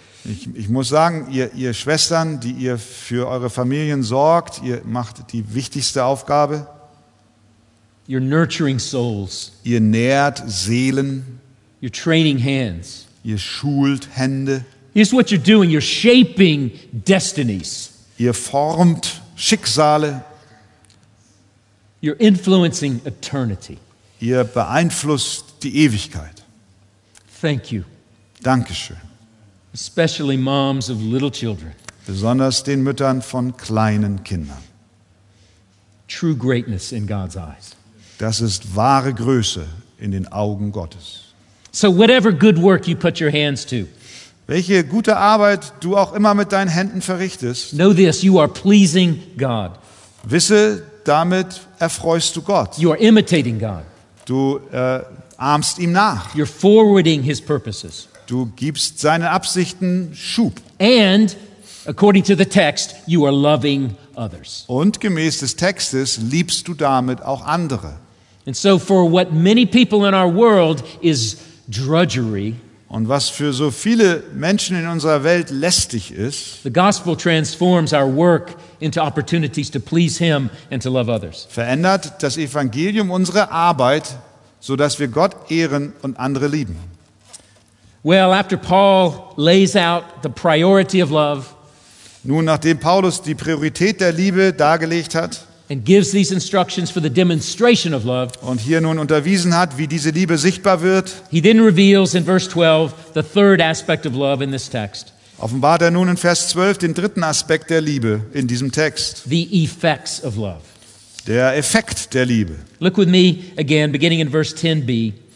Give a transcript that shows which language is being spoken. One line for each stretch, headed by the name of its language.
German: Ich muss sagen, ihr Schwestern, die ihr für eure Familien sorgt, ihr macht die wichtigste Aufgabe.
English: You're nurturing souls.
German: Ihr nährt Seelen.
English: You're training hands.
German: Ihr schult Hände.
English: Here's what you're doing. You're shaping destinies.
German: Ihr formt Schicksale.
English: You're influencing eternity.
German: Ihr beeinflusst die Ewigkeit.
English: Thank you.
German: Dankeschön.
English: Especially moms of little children.
German: Besonders den Müttern von kleinen Kindern.
English: True greatness in God's eyes.
German: Das ist wahre Größe in den Augen Gottes.
English: So whatever good work you put your hands to.
German: Welche gute Arbeit du auch immer mit deinen Händen verrichtest.
English: Know this, you are pleasing God.
German: Wisse, damit erfreust du Gott.
English: You are imitating God.
German: Du ahmst ihm nach.
English: You're forwarding his purposes.
German: Du gibst seinen Absichten Schub.
English: And according to the text, you are loving others.
German: Und gemäß des Textes liebst du damit auch andere.
English: And so for what many people in our world is drudgery.
German: Und was für so viele Menschen in unserer Welt lästig ist.
English: The gospel transforms our work into opportunities to please him and to love others.
German: Verändert das Evangelium unsere Arbeit, so dass wir Gott ehren und andere lieben.
English: Well, after Paul lays out the priority of love,
German: nun nachdem Paulus die Priorität der Liebe dargelegt hat,
English: and gives these instructions for the demonstration of love,
German: und hier nun unterwiesen hat, wie diese Liebe sichtbar wird,
English: he then reveals in verse 12 the third aspect of love in this text.
German: Offenbart er nun in Vers 12 den dritten Aspekt der Liebe in diesem Text.
English: The effects of love.
German: Der Effekt der Liebe.
English: Look with me again, beginning in verse 10b.